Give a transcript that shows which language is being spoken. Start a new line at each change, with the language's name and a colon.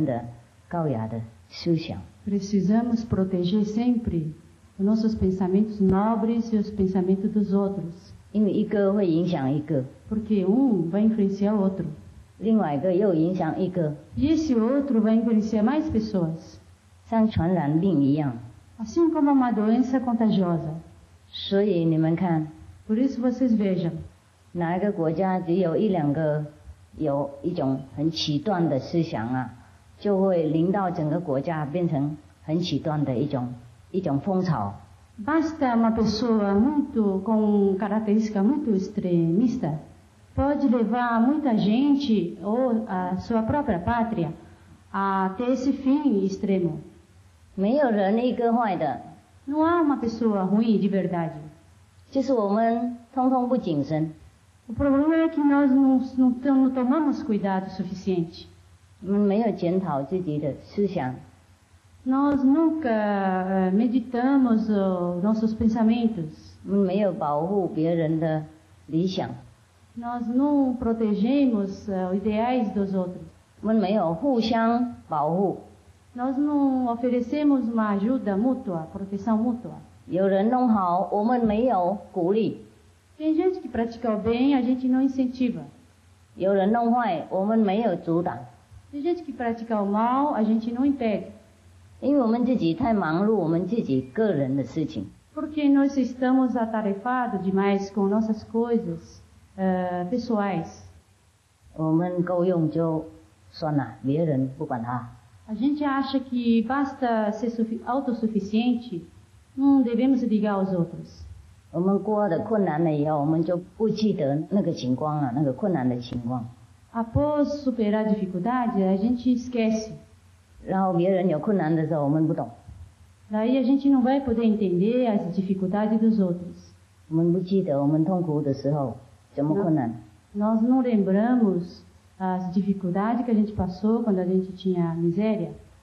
Chinese: 要好好保护自己的高雅的思想和保护别人的高雅的思想.
Portuguese: Precisamos proteger sempre os nossos pensamentos nobres e os pensamentos dos outros.
Chinese: 因为一个会影响一个.
Portuguese: Porque um vai influenciar o outro.
Chinese: 另外一个又影响一个.
Portuguese: E esse outro vai influenciar mais pessoas.
Chinese: 像传染病一样.
Portuguese: Assim como uma doença contagiosa.
Chinese: 所以你们看.
Portuguese: Por isso vocês vejam.
Chinese: 哪一个国家只有一两个有一种很极端的思想啊, 就会领导整个国家变成 很极端的一种风潮.
Portuguese: Basta uma pessoa muito com característica muito extremista pode levar muita gente ou a sua própria pátria a ter esse fim extremo.
Chinese: 没有人一个坏的.
Portuguese: Não há uma pessoa ruim de verdade.
Chinese: 就是我们通通不谨慎.
Portuguese: O problema é que nós não tomamos cuidado suficiente.
Chinese: 没有检讨自己的思想.
Portuguese: Nós nunca meditamos nossos pensamentos.
Chinese: 没有保护别人的理想.
Portuguese: Nós não protegemos os ideais dos outros.
Chinese: 没有互相保护.
Portuguese: Nós não oferecemos uma ajuda mútua, proteção mútua.
Chinese: 有人弄好, 我们没有鼓励.
Portuguese: Tem gente que pratica o bem, a gente não incentiva.
Chinese: 有人弄坏, 我们没有阻挡.
Portuguese: Tem gente que pratica o mal, a gente não impede.
Chinese: 因为我们自己太忙碌我们自己个人的事情.
Portuguese: Porque nós estamos atarefados demais com nossas coisas pessoais.
Chinese: 我们够用就算了, 别人不管他.
Portuguese: A gente acha que basta ser autossuficiente, não devemos ligar aos outros.
Chinese: 我们过的困难了以后我们就不记得那个情况了那个困难的情况.
Portuguese: Após superar a dificuldade, a gente esquece.
Chinese: 然后别人有困难的时候我们不懂.
Portuguese: Daí a gente não vai poder entender as dificuldades dos outros.
Chinese: 我们不记得我们痛苦的时候怎么困难.
Portuguese: Nós não lembramos as dificuldades que a gente passou quando a gente tinha miséria.